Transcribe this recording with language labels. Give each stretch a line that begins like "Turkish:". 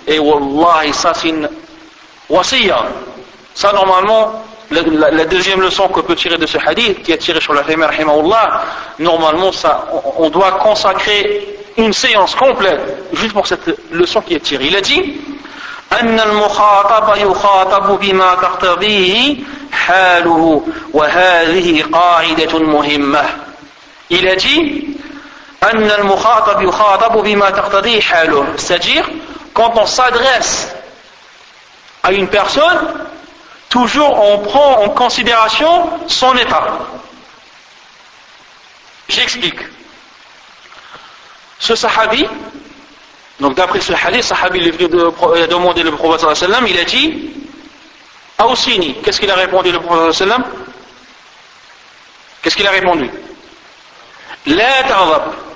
French: Et wallahi, ça c'est une wasiya. Ça, normalement, la deuxième leçon qu'on peut tirer de ce hadith, qui est tiré sur la rima, rahimahullah, normalement, ça, on doit consacrer une séance complète, juste pour cette leçon qui est tirée. Il a dit,
Arabic: أن المخاطب يخاطب بما تقتضيه حاله وهذه قاعدة مهمة. Il a dit, أن المخاطب يخاطب بما تقتضيه حاله.
French: C'est-à-dire, quand on s'adresse à une personne, toujours on prend en considération son état. J'explique. Ce sahabi, donc d'après ce hadith, le sahabi est venu demander le prophète sallallahu alayhi wa sallam, il a dit, Aousini, qu'est-ce qu'il a répondu le prophète sallallahu alayhi wa sallam? Qu'est-ce qu'il a répondu? La taghdhab.